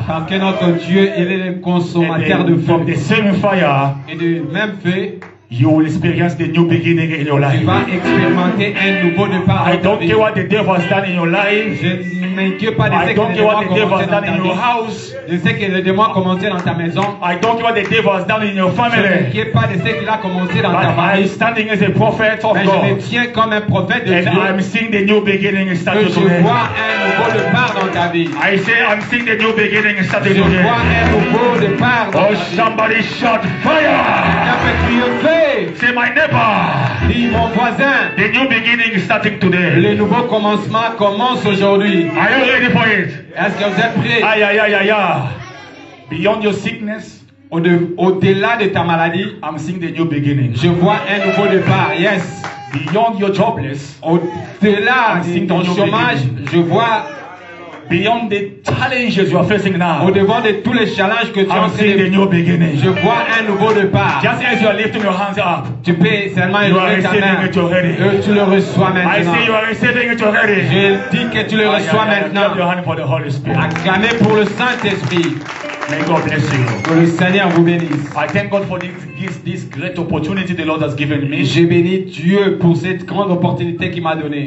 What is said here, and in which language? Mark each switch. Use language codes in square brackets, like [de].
[fr] Parce que notre Dieu il est le consommateur de feu. [en] From the same fire. [fr] Et du même feu. [en] You will experience the new beginning in your life. [fr] Tu vas expérimenter un nouveau départ. [en] I don't care what the devil has done in your life. [fr] Je ne m'inquiète pas de ce que le démon a commencé dans ta [en] house. [fr] Je sais que le démon a commencé dans ta maison. [en] I don't care what the devil has done in your family. [fr] Je ne m'inquiète pas de ce qu'il a commencé dans ta famille. [en] I'm standing as a prophet of God. [fr] Je me tiens comme un prophète de Dieu. [en] And I'm seeing the new beginning start today. [fr] Je vois un nouveau départ dans ta vie. [en] I say I'm seeing the new beginning start today. [fr] Je vois un nouveau départ dans ta vie. [en] Oh, somebody shout fire! C'est my neighbor. [fr] Dis mon voisin. [en] The new beginning starting today. [fr] Le nouveau commencement commence aujourd'hui. [en] Are you ready for it? [fr] Est-ce que vous êtes prêts? [en] Aïe, aïe, aïe, aïe. Beyond your sickness. [fr] Au-delà de ta maladie. [en] I'm seeing the new beginning. [fr] Je vois un nouveau départ. Yes. [en] Beyond your jobless. [fr] Au-delà de ton chômage. [en] Beginning. [fr] Je vois. [en] Beyond the challenges you are facing now, [fr] au-devant de tous les challenges que tu as, je vois un nouveau départ. [en] Just as you are lifting your hands up, [fr] tu peux seulement élever ta main. Tu le reçois maintenant. [en] I see you are receiving it already. [fr] Je dis que tu le reçois maintenant. [en] Clap your hand for the Holy Spirit. [fr] Acclamez pour le Saint-Esprit. [en] May God bless you. [fr] Que le Seigneur vous bénisse. [en] I thank God for this great opportunity the Lord has given me. [fr] Je bénis Dieu pour cette grande opportunité qu'il m'a donnée.